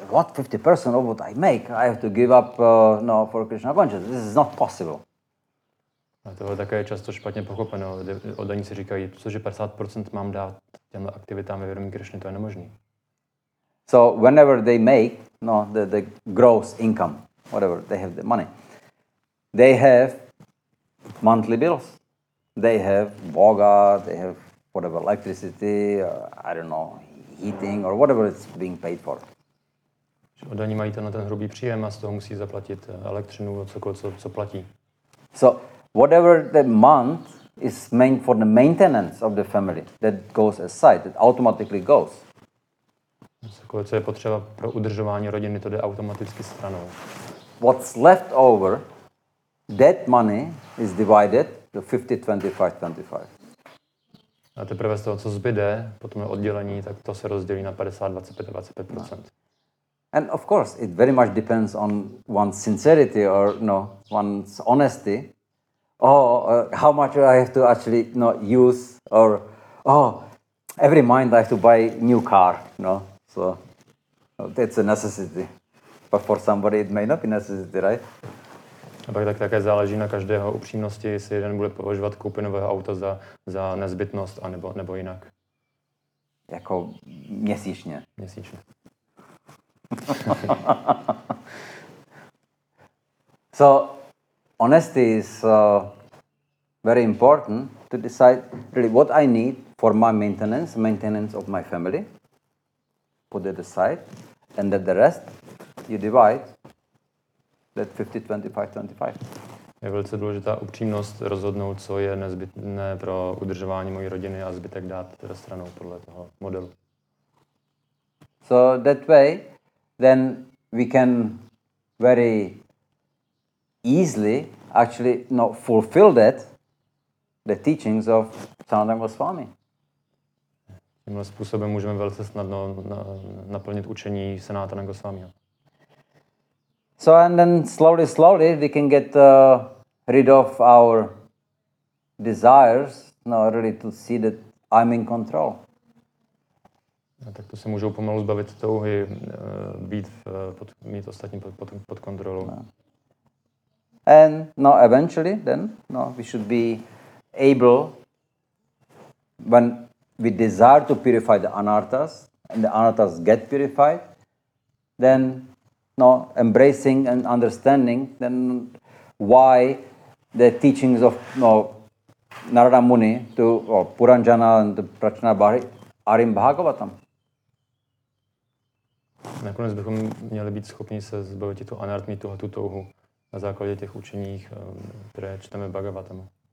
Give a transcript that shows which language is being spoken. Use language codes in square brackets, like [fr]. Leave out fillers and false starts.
[en] What 50% of what I make, I have to give up for Krishna consciousness. This is not possible. [cs] A to je také často špatně pochopeno. Oni si říkají, cože 50% mám dát těm aktivitám ve vědomí Krishny, to je nemožné. [en] So whenever they make the gross income, whatever they have the money, they have monthly bills. They have boga, they have whatever, electricity, I don't know, heating or whatever it's being paid for. [cs] Oni mají ten hrubý příjem a z toho musí zaplatit elektřinu a cokoliv, co platí. [en] So whatever the month is meant for the maintenance of the family, that goes aside, that automatically goes. [cs] Cokoliv, co je potřeba pro udržování rodiny, to jde automaticky stranou. [en] What's left over, that money is divided to 50-25-25. [cs] A teprve z toho, co zbyde po tom oddělení, tak to se rozdělí na 50-25-25%. [en] No. And of course, it very much depends on one's sincerity or no, one's honesty. Oh, how much I have to actually no use or oh, every month I have to buy new car. No, so that's a necessity. But for somebody it may not be necessity, right? [cs] A pak tak také záleží na každého upřímnosti, jestli jeden bude považovat koupi nového auta za nezbytnost a nebo jinak. Jako měsíčně. Měsíčně. [en] So honesty is very important to decide really what I need for my maintenance of my family, put it aside, and then the rest you divide that 50-25-25. [cs] Je velice důležitá upřímnost rozhodnout, co je nezbytné pro udržování mojí rodiny a zbytek dát teda stranou podle toho modelu. [en] So that way then we can very easily actually not fulfill that, the teachings of Sanatana Goswami. [cs] Tímhle způsobem můžeme velice snadno naplnit učení Sanatana Goswami. [en] So and then slowly we can get rid of our desires, not really to see that I'm in control. [cs] Tak to se můžou pomalu zbavit touhy být mít ostatní pod kontrolou. [en] And no eventually then no we should be able when we desire to purify the anarthas and the anarthas get purified then no embracing and understanding then why the teachings of no Narada Muni to Puranjana and the Prachana Bhari are in Bhagavatam. [cs] Nakonec bychom měli být schopni se zbavit tu anartmi, tuhle tu touhu na základě těch učení, které čteme Bhagavatam.